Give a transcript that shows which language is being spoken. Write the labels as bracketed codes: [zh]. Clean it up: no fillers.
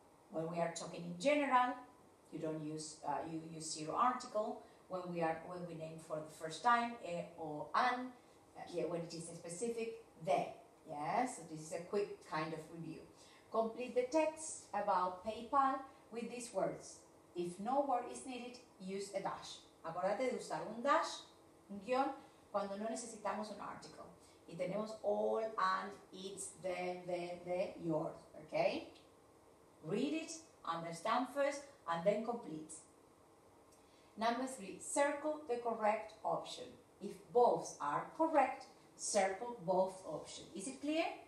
[en] When we are talking in general, you don't use, you use zero article. When we are, when we name for the first time, a or an, yeah, when it is a specific, they. Yeah? So this is a quick kind of review. Complete the text about PayPal with these words. If no word is needed, use a dash. [es] Acordate de usar un dash, un guión, cuando no necesitamos un article. Y tenemos all, and, it's, the, yours, okay? [en] Read it, understand first, and then complete. Number three, circle the correct option. If both are correct, circle both options. Is it clear?